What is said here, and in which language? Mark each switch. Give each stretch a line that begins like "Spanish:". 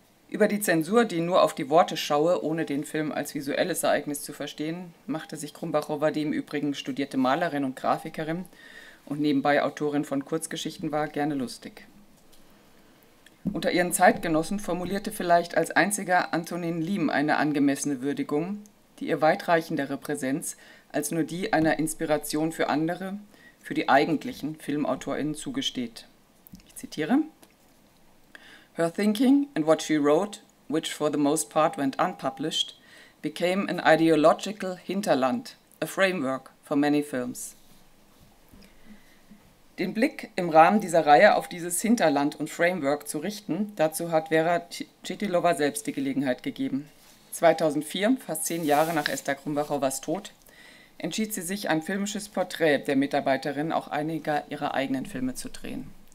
German: Über die Zensur, die nur auf die Worte schaue, ohne den Film als visuelles Ereignis zu verstehen, machte sich Krumbachover, die im Übrigen studierte Malerin und Grafikerin und nebenbei Autorin von Kurzgeschichten war, gerne lustig. Unter ihren Zeitgenossen formulierte vielleicht als einziger Antonin Liem eine angemessene Würdigung, die ihr weitreichendere Präsenz als nur die einer Inspiration für andere, für die eigentlichen FilmautorInnen zugesteht. Ich zitiere:
English: "Her thinking and what she wrote, which for the most part went unpublished, became an ideological hinterland, a framework for many films."
German: Den Blick im Rahmen dieser Reihe auf dieses Hinterland und Framework zu richten, dazu hat Vera Chitilova selbst die Gelegenheit gegeben. 2004, fast 10 Jahre nach Esther Krumbachovas Tod, entschied sie sich, ein filmisches Porträt der Mitarbeiterin auch einiger ihrer eigenen Filme zu drehen.